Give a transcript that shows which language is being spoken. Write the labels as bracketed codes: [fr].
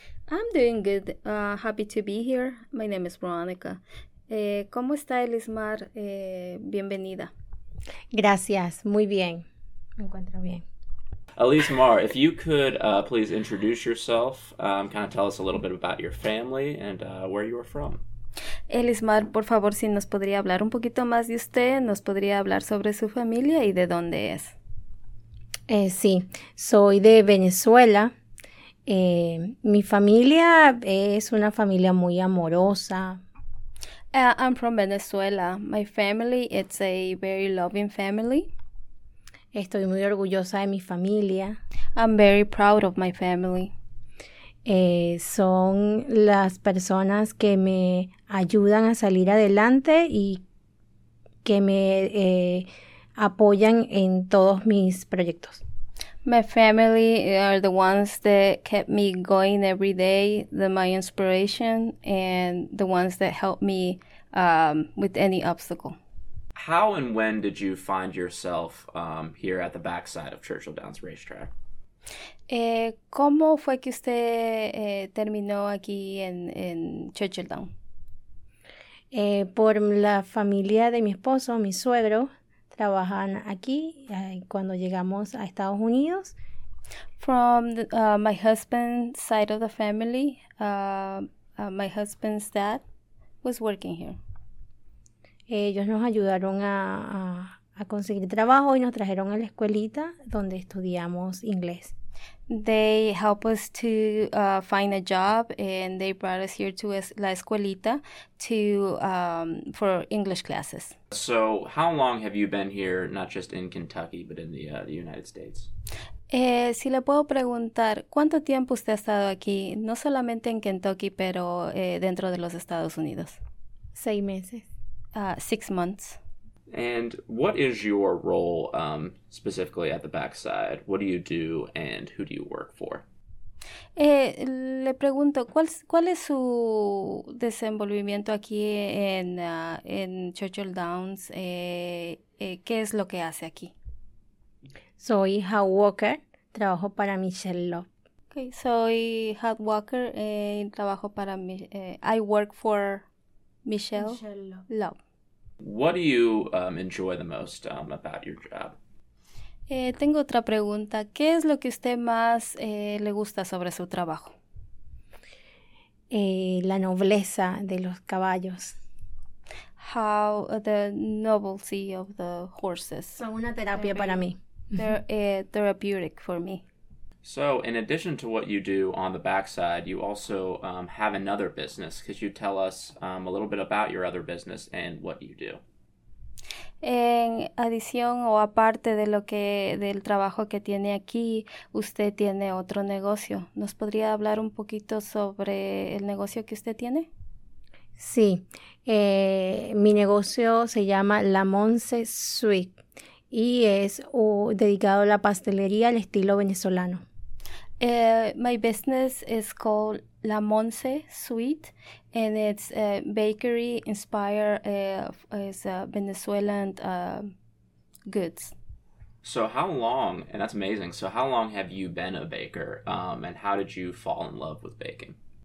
[en] I'm doing good. Happy to be here. My name is Veronica. [es] ¿Cómo está Elismar? Bienvenida. Gracias. Muy bien. Me encuentro bien. [en] Elismar, if you could please introduce yourself, kind of tell us a little bit about your family and where you are from. [es] Elismar, por favor, si nos podría hablar un poquito más de usted, nos podría hablar sobre su familia y de dónde es. Sí, soy de Venezuela. Mi familia es una familia muy amorosa. [en] I'm from Venezuela. My family, it's a very loving family. [es] Estoy muy orgullosa de mi familia. [en] I'm very proud of my family. [es] Son las personas que me ayudan a salir adelante y que me apoyan en todos mis proyectos. [en] My family are the ones that kept me going every day, my inspiration, and the ones that helped me with any obstacle. How and when did you find yourself here at the backside of Churchill Downs Racetrack? [es] ¿Cómo fue que usted terminó aquí en Churchill Downs? Por la familia de mi esposo, mi suegro. Trabajan aquí cuando llegamos a Estados Unidos. [en] From the, my husband's side of the family, my husband's dad was working here. [es] Ellos nos ayudaron a conseguir trabajo y nos trajeron a la escuelita donde estudiamos inglés. [en] They helped us to find a job and they brought us here to la escuelita to for English classes. So how long have you been here, not just in Kentucky, but in the United States? [es] Si le puedo preguntar, ¿cuánto tiempo usted ha estado aquí, no solamente en Kentucky, pero dentro de los Estados Unidos? 6 meses. [en] 6 months. And what is your role specifically at the backside? What do you do and who do you work for? [es] Le pregunto, ¿cuál es su desenvolvimiento aquí en Churchill Downs? ¿Qué es lo que hace aquí? Soy Hal Walker, trabajo para Michelle Love. Okay, soy Hal Walker, trabajo para [en] I work for Michelle Love. What do you enjoy the most about your job? [es] Tengo otra pregunta. ¿Qué es lo que usted más le gusta sobre su trabajo? La nobleza de los caballos. [en] How the nobility of the horses. [es] Son una terapia para mí. [en] They're therapeutic for me. So, in addition to what you do on the backside, you also have another business. Could you tell us a little bit about your other business and what you do? [es] En adición o aparte de lo que del trabajo que tiene aquí, usted tiene otro negocio. ¿Nos podría hablar un poquito sobre el negocio que usted tiene? Sí, mi negocio se llama La Monse Suite y es dedicado a la pastelería al estilo venezolano. [en] My business is called La Monse Suite, and it's a bakery inspired as Venezuelan goods. So how long, and that's amazing, so how long have you been a baker, and how did you fall in love with baking?